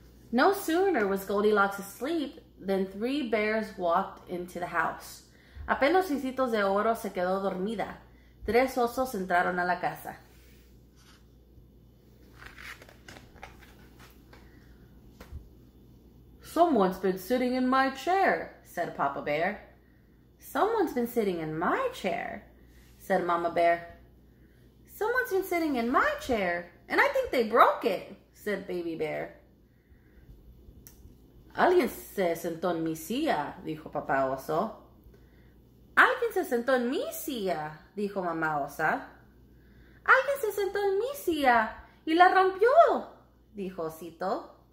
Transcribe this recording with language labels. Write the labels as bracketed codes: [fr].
[en] No sooner was Goldilocks asleep than three bears walked into the house. [es] Apenas Ricitos de Oro se quedó dormida, tres osos entraron a la casa. [en] Someone's been sitting in my chair, said Papa Bear. Someone's been sitting in my chair, said Mama Bear. Someone's been sitting in my chair, and I think they broke it, said Baby Bear. [es] Alguien se sentó en mi silla, dijo Papá Oso. Alguien se sentó en mi silla, dijo Mamá Osa. Alguien se sentó en mi silla, y la rompió, dijo Osito.